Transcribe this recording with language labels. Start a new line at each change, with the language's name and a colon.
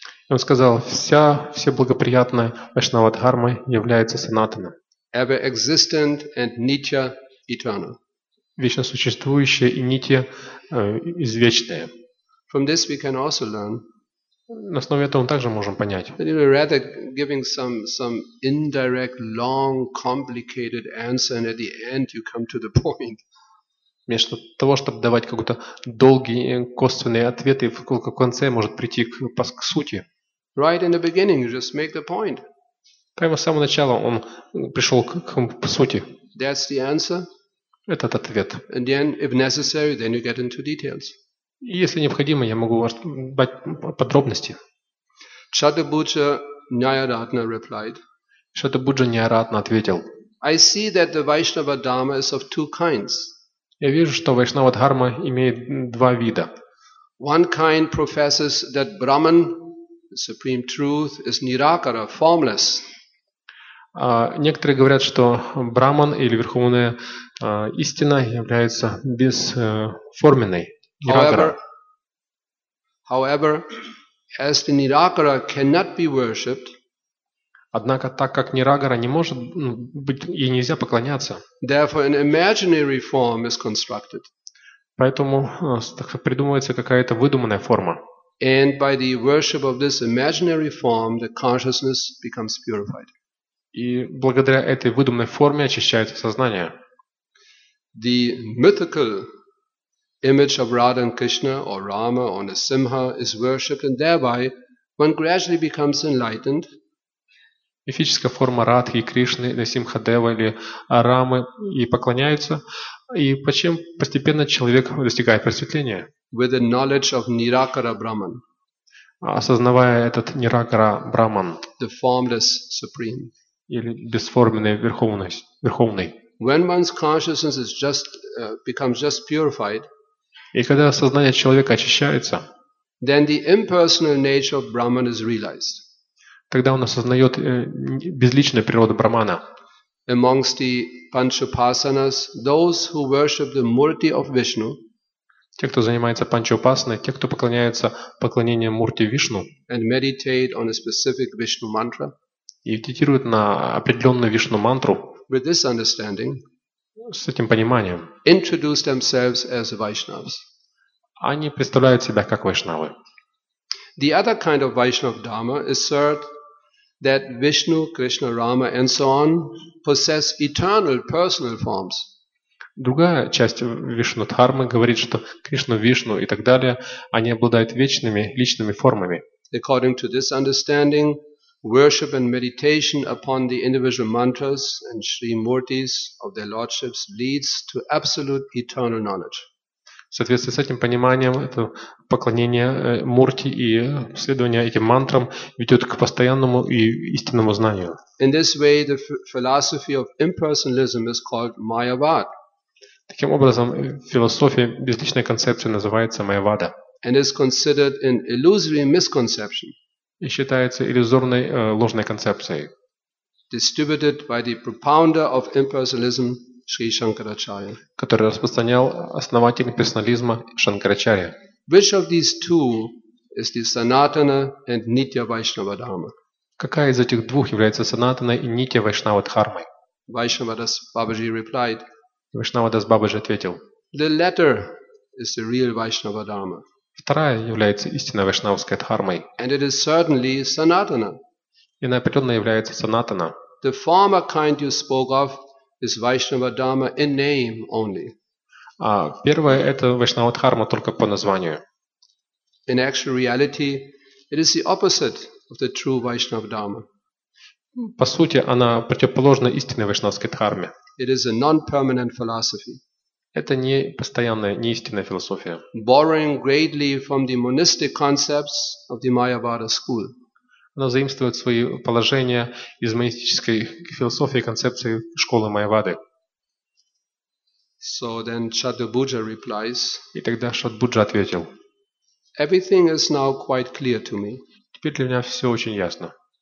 Russian: Он сказал, все благоприятное Вайшнава Дхарма является Санатана.
English: Ever existent and Nitya eternal.
Russian: Вечно существующее и Нитья извечное.
English: From this we can also learn.
Russian: На основе этого мы также можем понять.
English: That, you know, rather giving some indirect, long, complicated answer, and at the end you come to the point.
Russian: Вместо того, чтобы давать какой-то долгий косвенный ответ, и в конце может прийти к сути.
English: Right in the beginning, you just make the point.
Russian: Прямо с самого начала он пришел к сути.
English: That's the answer.
Russian: Этот ответ.
English: And then, if necessary, then you get into details.
Russian: Если необходимо, я могу дать подробности.
English: Шатабуджа Ньяяратна replied.
Russian: Шатабуджа Ньяяратна ответил.
English: I see that the Vaishnava Dharma is of two kinds.
Russian: Я вижу, что Вайшнава Дхарма имеет два вида.
English: One kind professes that Brahman, the supreme truth, is nirakara, formless.
Russian: Некоторые говорят, что Брахман или верховная истина является бесформенной.
English: However, as the Nirakara cannot be worshipped,
Russian: однако так как Нирагара не может быть и нельзя поклоняться,
English: therefore an imaginary form is constructed.
Russian: Поэтому придумывается какая-то выдуманная форма.
English: And by the worship of this imaginary form, the consciousness becomes purified.
Russian: И благодаря этой выдуманной форме очищается сознание.
English: The mythical image of Radha and Krishna or Rama or Narasimha is worshipped, and thereby one gradually becomes enlightened.
Russian: Мифическая форма Радхи, Кришны, Насимха Дева или Рамы и поклоняются, и почему постепенно человек достигает просветления?
English: With the knowledge of Nirakara Brahman.
Russian: Осознавая этот Nirakara Brahman.
English: The formless supreme.
Russian: Или бесформенный верховный.
English: When one's consciousness is just becomes just purified.
Russian: И когда сознание человека очищается,
English: then the impersonal nature of Brahman is realized.
Russian: Тогда он осознает безличную природу Брахмана.
English: Amongst the Panchopasanas, those who worship the Murti of Vishnu,
Russian: те, кто занимается Панчопасаной, те, кто поклоняется поклонению Мурти Вишну,
English: and meditate on a specific Vishnu mantra,
Russian: и медитируют на определенную Вишну мантру,
English: with this understanding,
Russian: с этим пониманием,
English: introduce themselves as Vaishnavas.
Russian: Они представляют себя как Вайшнавы.
English: The other kind of Vaishnava Dharma assert that Vishnu, Krishna, Rama and so on possess eternal personal forms.
Russian: Другая часть Вишну-дхармы говорит, что Кришна, Вишну и так далее, они обладают вечными личными формами.
English: According to this understanding, worship and meditation upon the individual mantras and Shri Murtis of their lordships leads to absolute eternal knowledge.
Russian: В соответствии с этим пониманием, это поклонение Мурти и следование этим мантрам ведет к постоянному и истинному знанию.
English: In this way, the philosophy of impersonalism is called Mayavada.
Russian: Таким образом, философия безличной концепции называется Майявада.
English: And is considered an illusory misconception.
Russian: И считается иллюзорной ложной концепцией.
English: Distributed by the propounder of impersonalism, Шри Шанкарачарья.
Russian: Который распространял основатель персонализма Шанкарачарья.
English: Which of these two is the Sanatana and Nitya Vaishnava Dharma?
Russian: Какая из этих двух является Санатаной и Нитья Вайшнава Дхармой?
English: Vaishnavadas Babaji replied.
Russian: Vaishnavadas Babaji ответил.
English: The latter is the real Vaishnava Dharma.
Russian: Вторая является истинной вайшнавской дхармой.
English: And it is certainly Sanatana.
Russian: И она определенно является Санатана.
English: The former kind you spoke of is Vaishnava Dharma in name only.
Russian: А первое это Вайшнава Дхарма только по названию.
English: In actual reality, it is the opposite of the true Vaishnava Dharma.
Russian: По сути, она противоположна истинной вайшнавской дхарме.
English: It is a non-permanent philosophy.
Russian: Это не постоянная, не истинная философия.
English: Borrowing greatly from the monistic concepts of the Mayavada school.
Russian: Она заимствует свои положения из монистической философии и концепции школы Майявады.
English: So then Chaturbhuja replies.
Russian: И тогда Шатбуджа ответил.
English: Everything is now quite clear to me.
Russian: Теперь для меня все очень ясно.